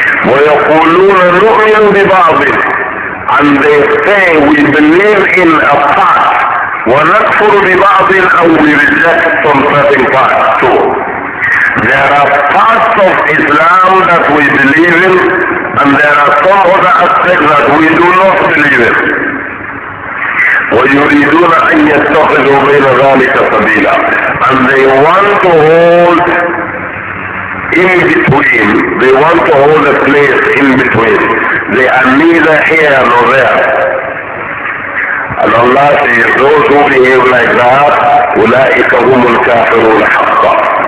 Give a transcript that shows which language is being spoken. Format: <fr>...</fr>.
<ar>وَيَقُولُونَ نُؤْمِنُ بِبَعْضٍ.</ar> <en>And they say, we believe in a part</en> <ar>ونكفر ببعض او</ar> <en>we reject from certain parts too. There are parts of Islam that we believe in, and there are some other aspects that we do not believe in.</en> <ar>ويريدون أن يتخذوا بين ذلك سبيلا.</ar> <en>And they want to hold in between. They want to hold a place in between. They are neither here nor there. And Allah says, those who behave like that,</en> <ar>أولئك هم الكافرون حقا.</ar>